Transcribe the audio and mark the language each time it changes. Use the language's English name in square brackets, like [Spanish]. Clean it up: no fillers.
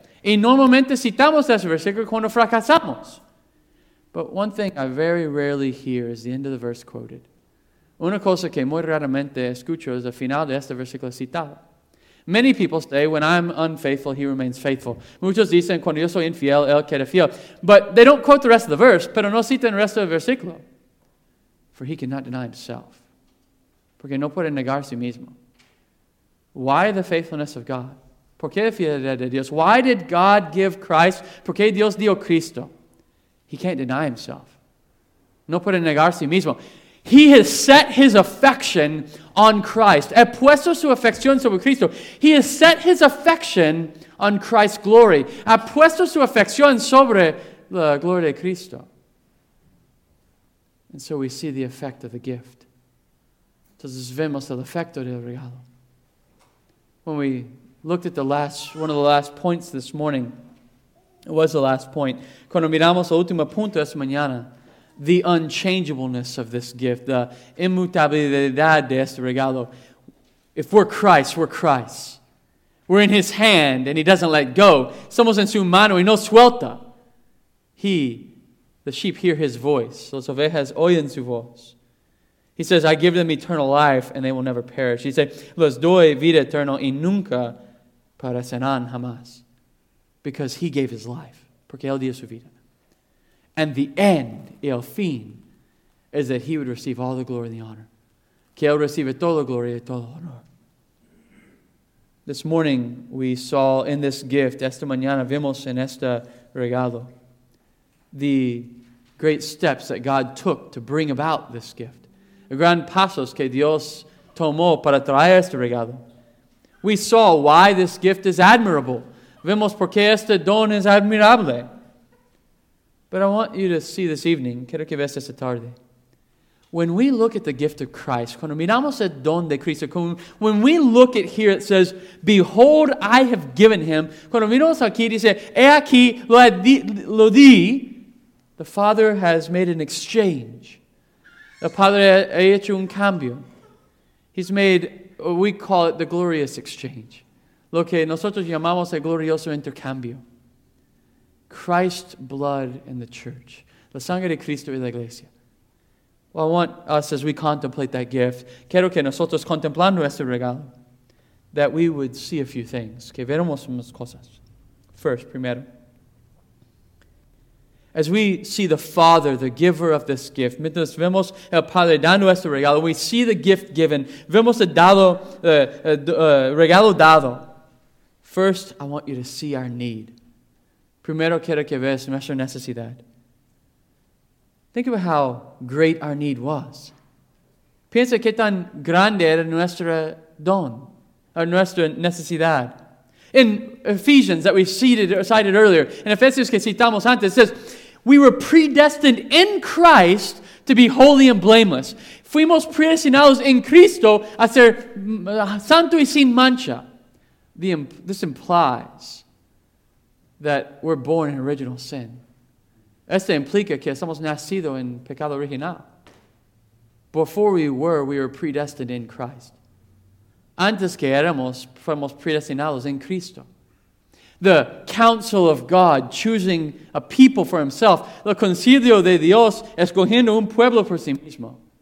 [Spanish] Y normalmente citamos ese versículo cuando fracasamos. [English] But one thing I very rarely hear is the end of the verse quoted. [Spanish] Una cosa que muy raramente escucho es el final de este versículo citado. [English] Many people say, when I'm unfaithful, he remains faithful. [Spanish] Muchos dicen, cuando yo soy infiel, él queda fiel. [English] But they don't quote the rest of the verse, [Spanish] pero no citan el resto del versículo. [English] For he cannot deny himself. [Spanish] Porque no puede negar a sí mismo. [English] Why the faithfulness of God? [Spanish] ¿Por qué la fidelidad de Dios? [English] Why did God give Christ? [Spanish] ¿Por qué Dios dio Cristo? [English] He can't deny himself. [Spanish] No puede negar a sí mismo. [English] He has set his affection on Christ. [Spanish] He puesto su afección sobre Cristo. [English] He has set his affection on Christ's glory. [Spanish] He puesto su afección sobre la gloria de Cristo. [English] And so we see the effect of the gift. [Spanish] Entonces vemos el efecto del regalo. [English] When we looked at one of the last points this morning, it was the last point. [Spanish] Cuando miramos el último punto esta mañana, [English] the unchangeableness of this gift, [Spanish] the inmutabilidad de este regalo. [English] If we're Christ, we're Christ. We're in his hand and he doesn't let go. [Spanish] Somos en su mano y no suelta. [English] He, the sheep, hear his voice. [Spanish] Las ovejas oyen su voz. [English] He says, I give them eternal life and they will never perish. He says, [Spanish] los doy vida eterna y nunca perecerán jamás. [English] Because he gave his life. [Spanish] Porque él dio su vida. [English] And the end, [Spanish] el fin, [English] is that he would receive all the glory and the honor. [Spanish] Que él recibe toda la gloria y todo el honor. [English] This morning, we saw in this gift, [Spanish] esta mañana vimos en este regalo, [English] the great steps that God took to bring about this gift. [Spanish] El gran pasos que Dios tomó para traer este regalo. [English] We saw why this gift is admirable. [Spanish] Vemos por qué este don es admirable. [English] But I want you to see this evening, [Spanish] quiero que veas esta tarde. [English] When we look at the gift of Christ, [Spanish] cuando miramos el don de Cristo, [English] when we look at here, it says, behold, I have given him. [Spanish] Cuando miramos aquí, dice, he aquí, lo di. [English] The Father has made an exchange. [Spanish] El Padre ha hecho un cambio. [English] He's made, we call it the glorious exchange. [Spanish] Lo que nosotros llamamos el glorioso intercambio. [English] Christ's blood in the church. [Spanish] La sangre de Cristo y la iglesia. [English] Well, I want us, as we contemplate that gift, [Spanish] quiero que nosotros contemplando este regalo, [English] that we would see a few things. [Spanish] Que veremos unas cosas. First, primero. [English] As we see the Father, the giver of this gift, [Spanish] mientras vemos el Padre dando este regalo, [English] we see the gift given, [Spanish] vemos el dado, regalo dado. [English] First, I want you to see our need. [Spanish] Primero quiero que veas nuestra necesidad. [English] Think about how great our need was. [Spanish] Piensa qué tan grande era nuestra don, or nuestra necesidad. [English] In Ephesians that we cited earlier, in Ephesians [Spanish] que citamos antes, [English] it says, we were predestined in Christ to be holy and blameless. [Spanish] Fuimos predestinados en Cristo a ser santo y sin mancha. [English] This implies that we're born in original sin. [Spanish] Esto implica que somos nacidos en pecado original. [English] Before we were predestined in Christ. [Spanish] Antes que éramos, fuimos predestinados en Cristo. [English] The counsel of God, choosing a people for himself. [Spanish] El concilio de Dios, escogiendo un pueblo por sí mismo.